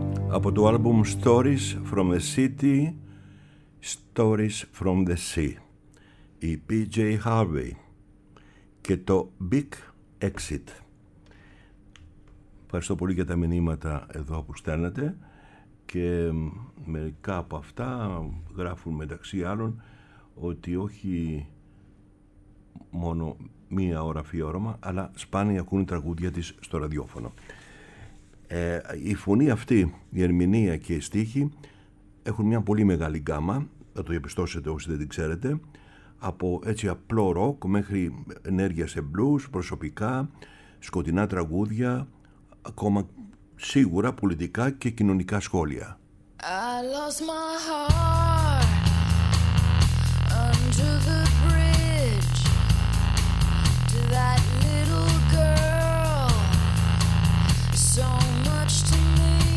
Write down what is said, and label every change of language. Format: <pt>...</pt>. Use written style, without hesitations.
<el>Από το άλμπουμ Stories from the City, Stories from the Sea, η PJ Harvey και το Big Exit. Ευχαριστώ πολύ για τα μηνύματα εδώ που στέλνετε και μερικά από αυτά γράφουν μεταξύ άλλων ότι όχι μόνο μία ώρα αφιέρωμα, αλλά σπάνια ακούν τραγούδια της στο ραδιόφωνο. Η φωνή αυτή, η ερμηνεία και η στίχη έχουν μια πολύ μεγάλη γκάμα, θα το διαπιστώσετε όσοι δεν την ξέρετε, από έτσι απλό ροκ μέχρι ενέργεια σε blues, προσωπικά, σκοτεινά τραγούδια, ακόμα σίγουρα πολιτικά και κοινωνικά σχόλια.</el> <en>I lost my heart under the bridge to that little girl. So much to me.</en>